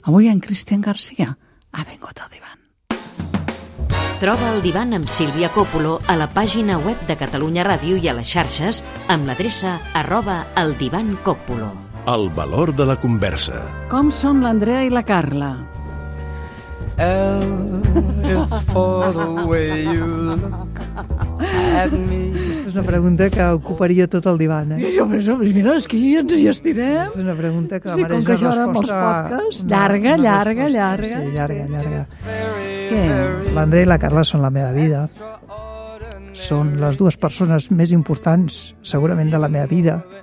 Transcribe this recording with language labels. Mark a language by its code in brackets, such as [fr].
[ca] Avui en Cristian García ha vingut al divan. Troba el divan amb Sílvia Còpolo a la pàgina web de Catalunya Ràdio i a les xarxes amb l'adreça @eldivancòpolo. El valor de la conversa. Com són l'Andrea i la Carla? [en] L is for the way you look at me. [ca] Aquesta és una pregunta que ocuparia tot el divan, eh? Mira, és que aquí ens hi estirem. Aquesta és una pregunta que mereix una resposta... Sí, com que jo ara amb els podcasts... Llarga. Sí, llarga. Què? L'André i la Carla són la meva vida. Són les dues persones més importants, segurament, de la meva vida.